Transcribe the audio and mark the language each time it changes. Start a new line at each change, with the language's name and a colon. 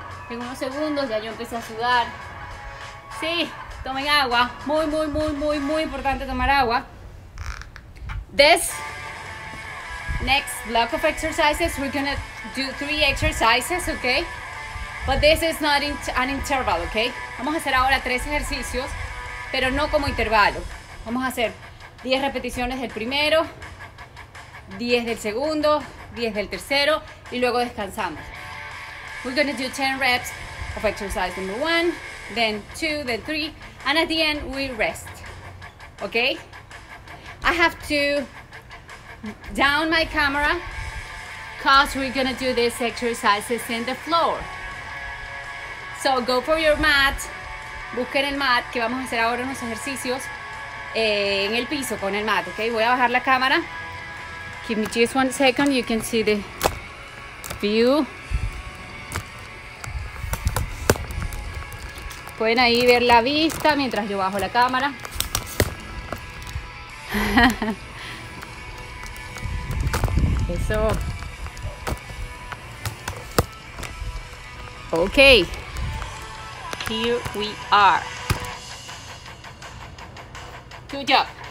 Spanish: En unos segundos ya yo empecé a sudar. Sí, tomen agua. Muy, muy, muy, muy, muy importante tomar agua.
English: This next block of exercises, we're gonna do 3 exercises, okay? But this is not an interval, okay?
Spanish: Vamos a hacer ahora 3 ejercicios, pero no como intervalo. Vamos a hacer 10 repeticiones del primero, 10 del segundo, 10 del tercero, y luego descansamos.
English: We're gonna do 10 reps of exercise number 1, then 2, then 3, and at the end we rest, okay? I have to down my camera, cause we're gonna do these exercises in the floor. So go for your mat,
Spanish: busquen el mat, que vamos a hacer ahora unos ejercicios en el piso con el mat, ok? Voy a bajar la cámara.
English: Give me just 1 second, you can see the view.
Spanish: Pueden ahí ver la vista mientras yo bajo la cámara. Eso.
English: Ok. Here we are. Good job.